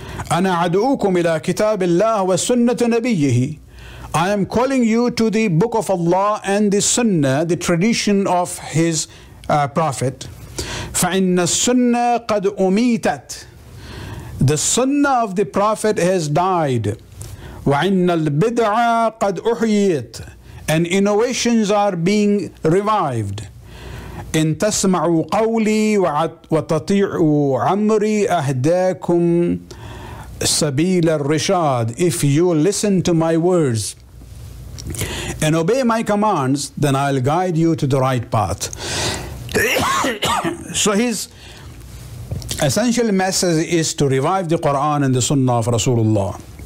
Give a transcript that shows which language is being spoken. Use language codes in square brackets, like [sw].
[ar] أنا عدؤكم إلى كتاب الله وسنة نبيه. [en] I am calling you to the book of Allah and the Sunnah, the tradition of His Prophet. [ar] فإن السنة قد أميتت. [en] The Sunnah of the Prophet has died. [ar] وإن البدعة قد أحييت. [en] And innovations are being revived. [ar] إن تسمعوا قولي وتطيعوا عمري أهداكم سبيل الرشاد. [en] If you listen to my words and obey my commands, then I'll guide you to the right path. So his essential message is to revive the Quran and the Sunnah of Rasulullah.